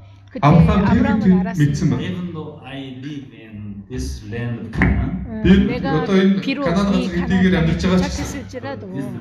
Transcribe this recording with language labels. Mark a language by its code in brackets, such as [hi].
[ko] 그때 아브라함은 알았습니다. [en] Even though I live in this land of Canaan. [ko] 내가 비록 이 가나안 땅에 도착했을지라도